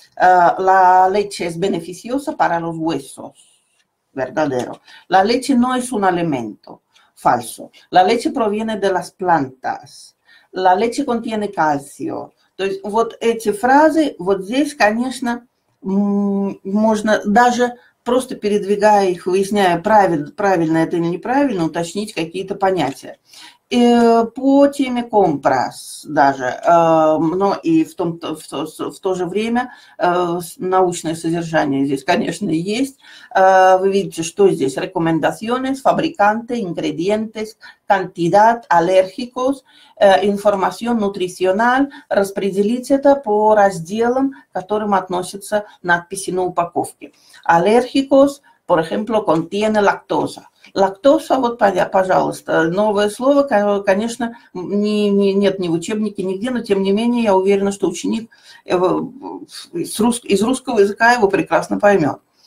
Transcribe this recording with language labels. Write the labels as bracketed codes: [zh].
[es] La leche es beneficiosa para los huesos. Verdadero. La leche no es un alimento. Falso. La leche proviene de las plantas. La leche contiene calcio. [ru] То есть вот эти фразы, вот здесь, конечно, можно даже просто передвигая их, выясняя, правильно это или неправильно, уточнить какие-то понятия. И по теме компрас даже, но и в то же время научное содержание здесь, конечно, есть. Вы видите, что здесь? [es] Recomendaciones, fabricantes, ingredientes, cantidad, alérgicos, información nutricional. [ru] Распределить это по разделам, которым относятся надписи на упаковке. [es] Alérgicos, por ejemplo, contiene lactosa. [ru] Лактоза, вот, пожалуйста, новое слово, конечно, нет ни в учебнике, нигде, но, тем не менее, я уверена, что ученик из русского языка его прекрасно поймет.